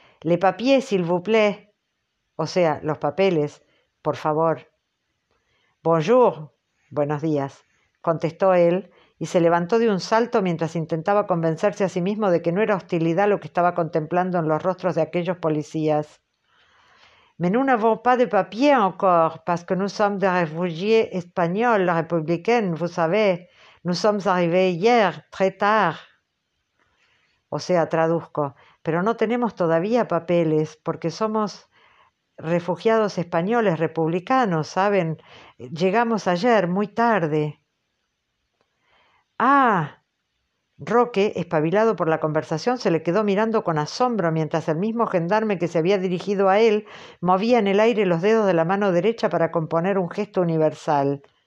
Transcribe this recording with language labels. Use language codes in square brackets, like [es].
[fr] «Les papiers, s'il vous plaît». [es] O sea, los papeles, por favor. [fr] «Bonjour». [es] «Buenos días», contestó él, y se levantó de un salto mientras intentaba convencerse a sí mismo de que no era hostilidad lo que estaba contemplando en los rostros de aquellos policías. [fr] «Mais nous n'avons pas de papier encore, parce que nous sommes des réfugiés espagnols, républicains, vous savez. Nous sommes arrivés hier, très tard». [es] O sea, traduzco, «pero no tenemos todavía papeles, porque somos refugiados españoles, republicanos, ¿saben? Llegamos ayer, muy tarde». Ah, Roque, espabilado por la conversación, se le quedó mirando con asombro mientras el mismo gendarme que se había dirigido a él movía en el aire los dedos de la mano derecha para componer un gesto universal.